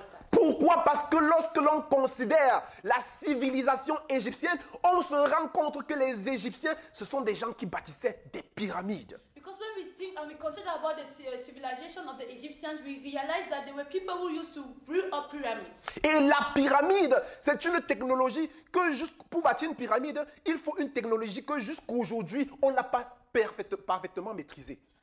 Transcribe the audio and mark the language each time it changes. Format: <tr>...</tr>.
<fr>Pourquoi? Parce que lorsque l'on considère la civilisation égyptienne, on se rend compte que les Égyptiens, ce sont des gens qui bâtissaient des pyramides.</fr> <en>Because when we think and we consider about the civilization of the Egyptians, we realize that there were people who used to build up pyramids.</en> <fr>Et la pyramide, c'est une technologie que pour bâtir une pyramide, il faut une technologie que jusqu'aujourd'hui on n'a pas parfaitement maîtrisée.</fr>